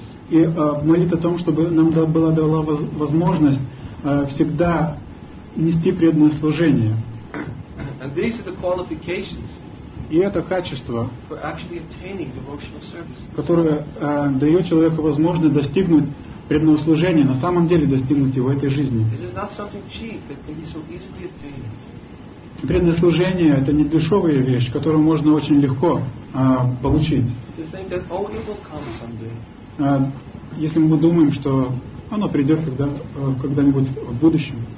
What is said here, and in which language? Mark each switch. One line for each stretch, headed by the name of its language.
Russian: И молить о том, чтобы нам была дана возможность всегда нести преданное служение.
English: And these are the qualifications.
Russian: И это качество,
English: for actually attaining devotional service.
Russian: Которое дает человеку возможность достигнуть преданного служения, на самом деле достигнуть его этой жизни.
English: It is not something cheap that can be so easily attained.
Russian: Преданное служение — это не дешевая вещь, которую можно очень легко получить.
English: To think that, oh, it will come someday.
Russian: Если мы думаем, что оно придет когда-нибудь в будущем.